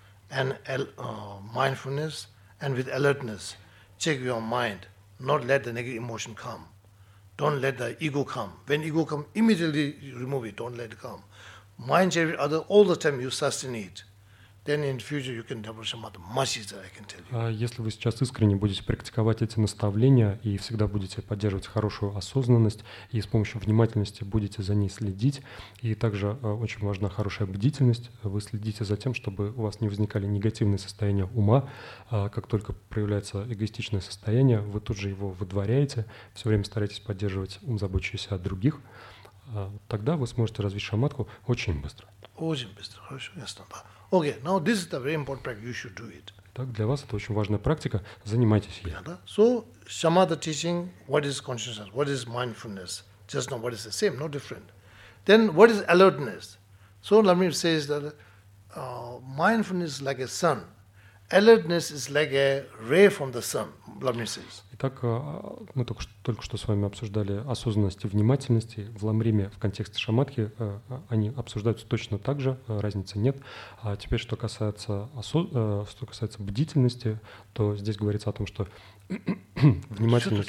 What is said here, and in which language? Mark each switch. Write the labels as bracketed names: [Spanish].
[English] And mindfulness and with alertness, check your mind. Not let the negative emotion come. Don't let the ego come. When ego come, immediately remove it. Don't let it come. Mind every other all the time. You sustain it. Then in future you can develop shamatha much easier. I can tell you. [Russian] Если вы сейчас искренне будете практиковать эти наставления и всегда будете поддерживать хорошую осознанность и с помощью внимательности будете за ней следить, и также очень важна хорошая бдительность, вы следите за тем, чтобы у вас не возникали негативные состояния ума. Как только проявляется эгоистичное состояние, вы тут же его выдворяете, все время стараетесь поддерживать ум, заботящийся о других, тогда вы сможете развить шамадху очень быстро. Очень быстро, хорошо, ясно, да. [English] Okay, now this is the very important practice. You should do it. [Russian] Так для вас это очень важная практика. Занимайтесь ею. Да. [English] So shamatha teaching, what is consciousness, what is mindfulness? Just know what is the same, no different. Then what is alertness? So Lama says that mindfulness is like a sun, alertness is like a ray from the sun. Lama says. [Russian] Итак, мы только что с вами обсуждали осознанность и внимательность. В Ламриме в контексте шамадхи они обсуждаются точно так же, разницы нет. А теперь, что касается бдительности, то здесь говорится о том, что внимательность...